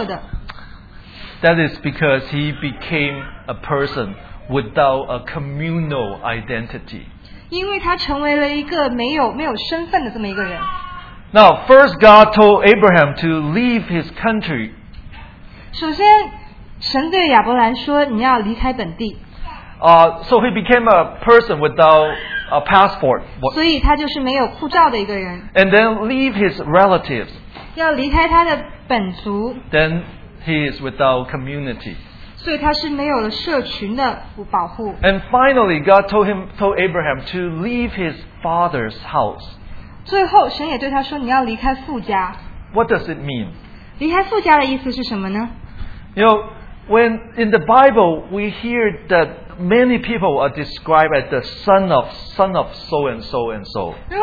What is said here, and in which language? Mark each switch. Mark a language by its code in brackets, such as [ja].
[zh] 如果你看亚伯兰他整一个的旅程的话，你会发现他整个过程他其实都是比较恐惧的，他很害怕，而且他觉得自己是被恐吓的。 [en] That is because he became a person without a communal identity. [zh] 因为他成为了一个没有身份的这么一个人。 [en] Now, first God told Abraham to leave his country. [zh] 首先神对亚伯兰说你要离开本地。 [en] So he became a person without a passport. [zh] 所以他就是没有护照的一个人。 [en] And then leave his relatives. [zh] 要离开他的本族。 [en] Then he is without community. [zh] 所以他是没有了社群的保护。 [en] And finally, God told Abraham to leave his father's house. [zh] 最后神也对他说你要离开父家。 [en] What does it mean? [zh] 离开父家的意思是什么呢? [en] You know, when in the Bible we hear that many people are described as the son of so-and-so and so.